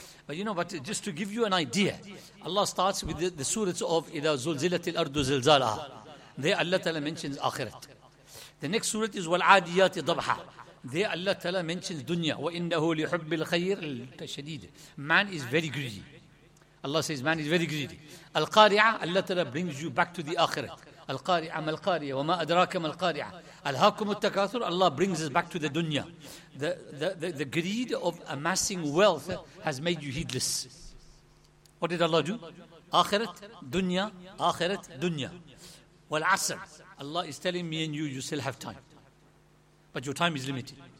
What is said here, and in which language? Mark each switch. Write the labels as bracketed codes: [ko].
[en] But you know, but just to give you an idea, Allah starts with the surahs of [ar] إِذَا زُلْزِلَتِ الْأَرْضُ زِلْزَالَهَا. [en] There Allah Ta'ala mentions Akhirat. The next surah is [ar] وَالْعَادِيَاتِ ضَبْحَا. [en] There Allah Ta'ala mentions Dunya. [ar] وَإِنَّهُ لِحُبِّ الْخَيِّرِ الْتَشَدِيدِ. [en] Man is very greedy. Allah says man is very greedy. Al-Qari'ah, Allah Ta'ala brings you back to the Akhirat. [ar] Al-Qari'ah, Mal-Qari'ah, وَمَا أَدْرَاكَ مَالْقَارِعَةِ. Al-Hakum al-Takathur, [en] Allah brings us back to the dunya. The greed of amassing wealth has made you heedless. What did Allah do? Akhirat, dunya, akhirat, dunya. Wal-Asr, Allah is telling me and you still have time. But your time is limited.